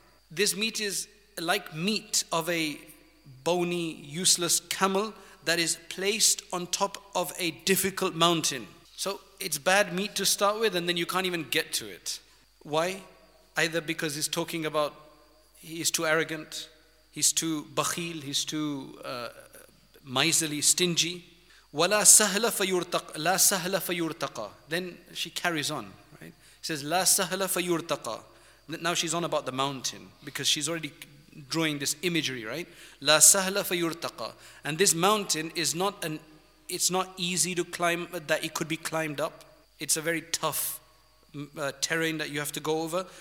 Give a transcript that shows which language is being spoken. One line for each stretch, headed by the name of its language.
English: This meat is like meat of a bony, useless camel that is placed on top of a difficult mountain. So it's bad meat to start with, and then you can't even get to it. Why? Either because he's talking about he's too arrogant, he's too bakhil, he's too miserly, stingy.
Arabic: وَلَا سَهْلَ فَيُرْتَقَى لَا سَهْلَ فَيُرْتَقَى
English: Then she carries on, right? She says,
Arabic: لَا سَهْلَ فَيُرْتَقَى
English: Now she's on about the mountain, because she's already drawing this imagery, right?
Arabic: لَا سَهْلَ فَيُرْتَقَى
English: And this mountain is not an, it's not easy to climb, that it could be climbed up. It's a very tough terrain that you have to go over.